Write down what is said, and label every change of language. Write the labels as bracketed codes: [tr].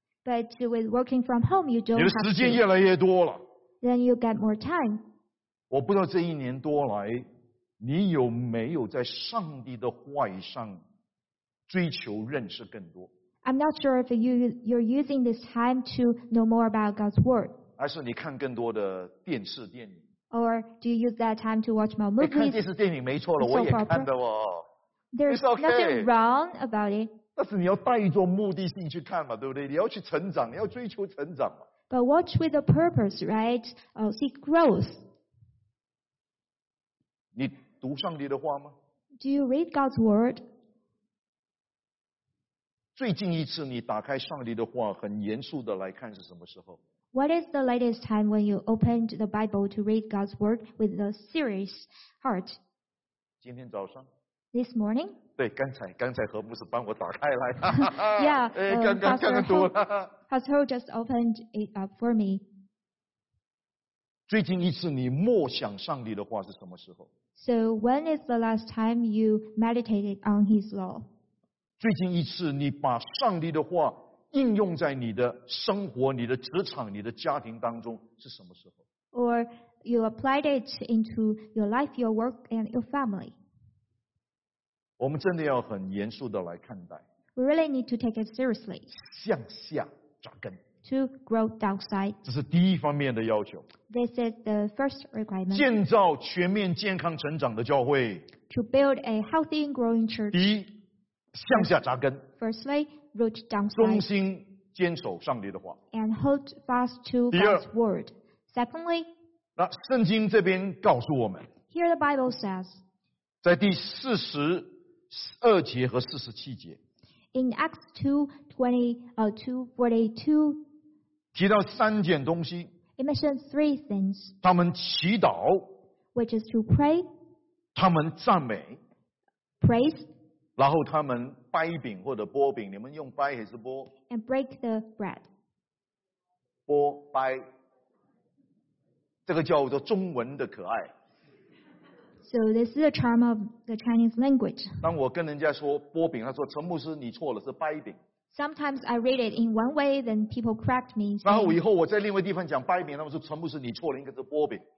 [en] But with working from home, you don't have. [zh] 你的时间越来越多了。 [en] Then you get more time. [zh] 我不知道这一年多来，你有没有在上帝的话语上追求认识更多 [en] ？I'm not sure if you're using this time to know more about God's word. [zh] 还是你看更多的电视电影？ [en] Or do you use that time to watch more movies? [zh] 看电视电影没错了，我也看的哦。 [en] There's nothing wrong about it. [zh] 但是你要带着目的性去看嘛，对不对？你要去成长，你要追求成长嘛。 [en] But watch with a purpose, right? Seek growth. [zh] 你读上帝的话吗 [en] ？Do you read God's word? [zh] 最近一次你打开上帝的话，很严肃的来看是什么时候？ [en] What is the latest time when you opened the Bible to read God's word with a serious heart? [zh] 今天早上。 [en] This morning? [zh] 对，刚才何牧师帮我打开来。 [en] Yeah, [zh] 刚刚读了。 [en] Pastor Ho just opened it up for me. [zh] 最近一次你默想上帝的话是什么时候？ [en] So when is the last time you meditated on His law? [zh] 最近一次你把上帝的话应用在你的生活、你的职场、你的家庭当中是什么时候 [en] ？Or you applied it into your life, your work, and your family. [zh] 我们真的要很严肃的来看待。 [en] We really need to take it seriously. [zh] 向下扎根。 [en] To grow downside. [zh] 这是第一方面的要求。 [en] This is the first requirement. [zh] 建造全面健康成长的教会。 [en] To build a healthy and growing church. [zh] 第一，向下扎根。 [en] Firstly. Root downside, [zh] 忠心坚守上帝的话 [en] and hold fast to God's word. Secondly, [zh] 那圣经这边告诉我们 [en] here the Bible says, [zh] 在第四十二节和四十七节 [en] in Acts 2:42 [zh] 提到三件东西 [en] it mentions three things, [zh] 他们祈祷 [en] which is to pray, [zh] 他们赞美 [en] praise, [zh] 然后他们掰饼或者拨饼，你们用掰还是拨 [en] ？And break the bread. [zh] 拨掰，这个叫做中文的可爱。 [en] So this is the charm of the Chinese language. [zh] 当我跟人家说拨饼，他说陈牧师你错了，是掰饼。 [en] Sometimes I read it in one way, then people correct me. [zh] 然后以后我在另外地方讲掰饼，他们说陈牧师你错了，应该是拨饼。